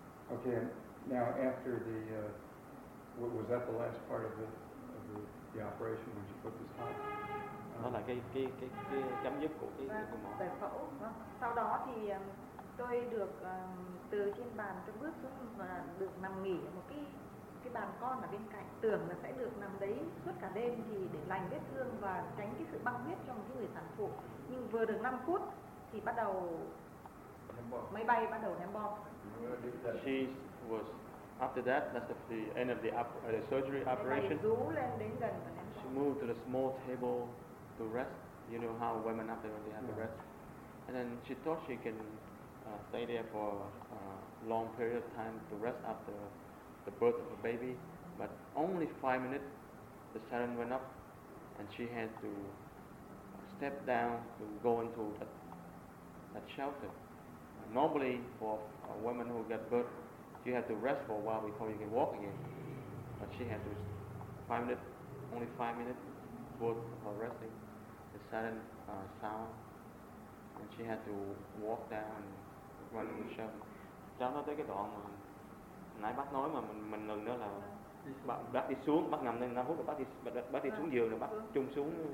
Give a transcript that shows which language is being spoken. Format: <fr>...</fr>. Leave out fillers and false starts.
<en>Okay, now after the was that the last part of the operation when she put this on?</en> <vi>Đó là cái chấm dứt của cái giải phẫu. Sau đó thì tôi được từ trên bàn tôi bước xuống và được nằm nghỉ ở một cái bàn con ở bên cạnh, tưởng là sẽ được nằm đấy suốt cả đêm thì để lành vết thương và tránh cái sự băng huyết cho một cái người sản phụ. Nhưng vừa được 5 phút thì bắt đầu máy bay bắt đầu ném bom.</vi> <en>She was. After that, that's the end of the surgery operation. She moved to the small table to rest. You know how women after when they have to rest. And then she thought she can stay there for a long period of time to rest after the birth of a baby. But only 5 minutes, the siren went up, and she had to step down to go into that shelter. Normally, for a woman who get birth, you have to rest for a while before you can walk again. But she had to only five minutes for her resting. The sudden sound, and she had to walk down and run in the shelter.</en> <vi>Cháu nói tới cái đoạn mà nãy bác nói mà mình ngừng nữa là bác đi xuống, bác ngầm lên 5 phút rồi bác đi xuống giường rồi bác chung xuống</vi>